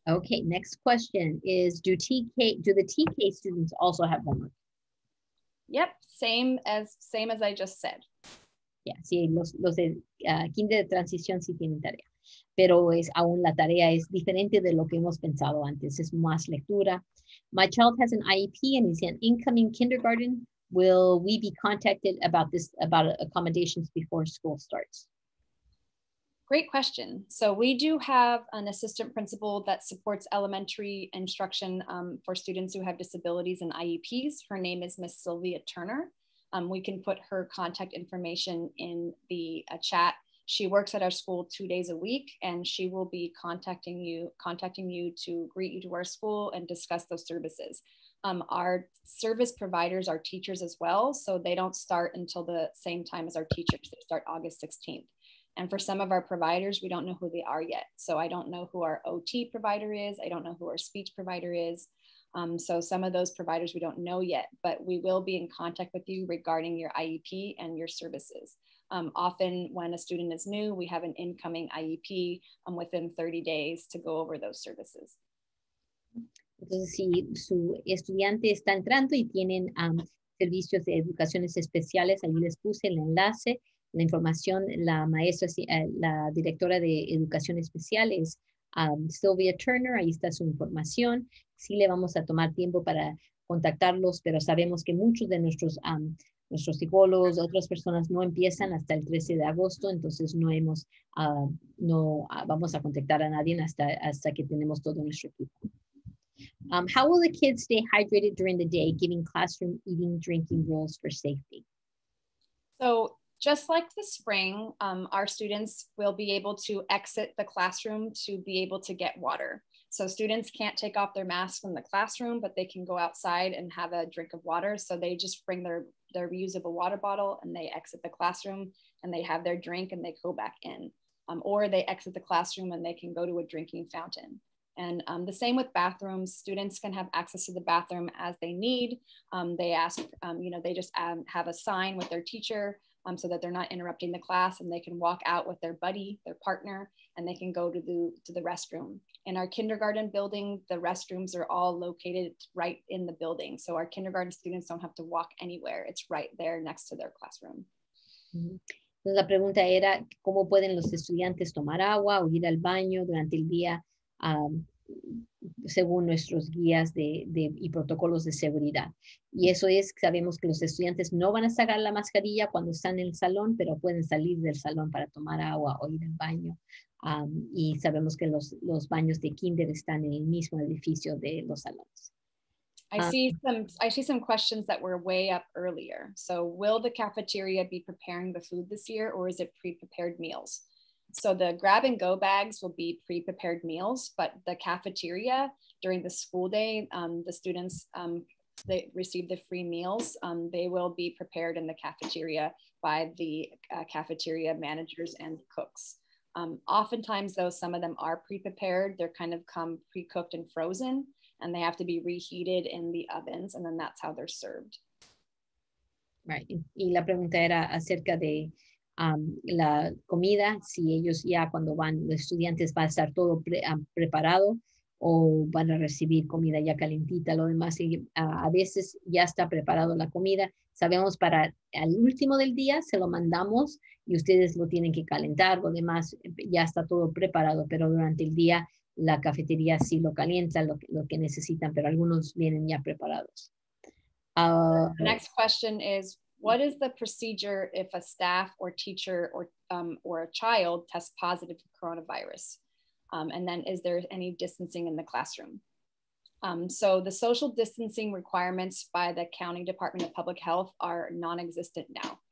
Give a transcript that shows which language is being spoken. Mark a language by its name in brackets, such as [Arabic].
[English] Okay, next question is, do the TK students also have homework? Yep, same as I just said. [Spanish] Yeah, sí, los de kinder de transición sí tienen tarea, pero es aún la tarea es diferente de lo que hemos pensado antes, es más lectura. [English] My child has an IEP and he's in incoming kindergarten. Will we be contacted about accommodations before school starts? Great question. So we do have an assistant principal that supports elementary instruction for students who have disabilities and IEPs. Her name is Ms. Sylvia Turner. We can put her contact information in the chat. She works at our school 2 days a week, and she will be contacting you to greet you to our school and discuss those services. Our service providers are teachers as well, so they don't start until the same time as our teachers. They start August 16th. And for some of our providers, we don't know who they are yet. So I don't know who our OT provider is. I don't know who our speech provider is. So some of those providers we don't know yet, but we will be in contact with you regarding your IEP and your services. Often when a student is new, we have an incoming IEP within 30 days to go over those services. [Spanish] Entonces, si su estudiante está entrando y tienen servicios de educaciones especiales, ahí les puse el enlace, la información, la maestra, la directora de educación especial es Sylvia Turner, ahí está su información. Sí le vamos a tomar tiempo para contactarlos, pero sabemos que muchos de nuestros nuestros psicólogos, otras personas no empiezan hasta el 13 de agosto, entonces no hemos, vamos a contactar a nadie hasta que tenemos todo nuestro equipo. [English] How will the kids stay hydrated during the day, giving classroom eating, drinking rules for safety? So just like the spring, our students will be able to exit the classroom to be able to get water. So students can't take off their masks in the classroom, but they can go outside and have a drink of water. So they just bring their reusable water bottle and they exit the classroom and they have their drink and they go back in. Or they exit the classroom and they can go to a drinking fountain. And the same with bathrooms, students can have access to the bathroom as they need. They ask, they just have a sign with their teacher so that they're not interrupting the class, and they can walk out with their buddy, their partner, and they can go to the restroom. In our kindergarten building, the restrooms are all located right in the building. So our kindergarten students don't have to walk anywhere. It's right there next to their classroom. [Spanish] Entonces, la pregunta era, ¿cómo pueden los estudiantes tomar agua o ir al baño durante el día según nuestros guías y protocolos de seguridad? Y eso es, sabemos que los estudiantes no van a sacar la mascarilla cuando están en el salón, pero pueden salir del salón para tomar agua o ir al baño. Y sabemos que los baños de kinder están en el mismo edificio de los salones. [English] I see some questions that were way up earlier. So will the cafeteria be preparing the food this year, or is it pre-prepared meals? So the grab and go bags will be pre-prepared meals, but the cafeteria during the school day, the students they receive the free meals. They will be prepared in the cafeteria by the cafeteria managers and cooks. Oftentimes though, some of them are pre-prepared. They're kind of come pre-cooked and frozen, and they have to be reheated in the ovens, and then that's how they're served. [Spanish] Right, y la pregunta era acerca de la comida, si ellos ya cuando van, los estudiantes va a estar todo preparado o van a recibir comida ya calentita, lo demás, a veces ya está preparado la comida. Sabemos para el último del día, se lo mandamos y ustedes lo tienen que calentar, lo demás ya está todo preparado, pero durante el día la cafetería sí lo calienta, lo que necesitan, pero algunos vienen ya preparados. [English] Next question is, what is the procedure if a staff or teacher or a child tests positive for coronavirus? And then is there any distancing in the classroom? So the social distancing requirements by the County Department of Public Health are non-existent now.